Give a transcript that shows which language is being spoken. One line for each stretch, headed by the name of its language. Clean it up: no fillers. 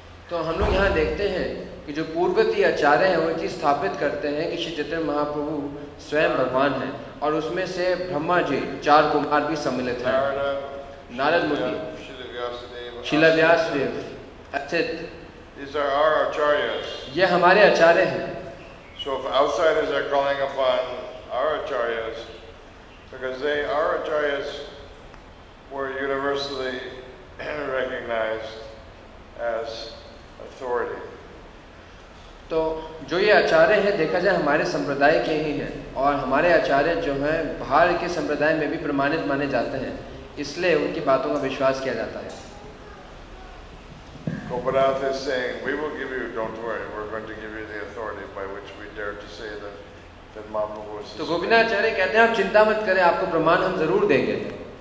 Hindi: तो हम लोग यहाँ देखते हैं कि जो पूर्ववर्ती आचार्य हैं वो चीज स्थापित करते हैं कि श्री चैतन्य महाप्रभु स्वयं भगवान हैं और उसमें से ब्रह्मा जी चार कुमार भी सम्मिलित हैं, नारद मुनि, शिला व्यास देव, अच्युत। ये हमारे आचार्य हैं।
English: So if outsiders are calling upon our acharyas, because they, our acharyas, were universally recognized as authority.
Hindi: तो जो ये आचार्य हैं देखा जाए हमारे संप्रदाय के ही हैं और हमारे आचार्य जो हैं बाहर के संप्रदाय में भी प्रमाणित माने जाते हैं इसलिए उनकी बातों का विश्वास किया जाता है.
English: Gopinath is saying, we will give you, don't worry, we're going to give you the authority by which we dare to say that, that Mahaprabhu is So Gopinath Acharya says, don't worry, we will give you the pramana.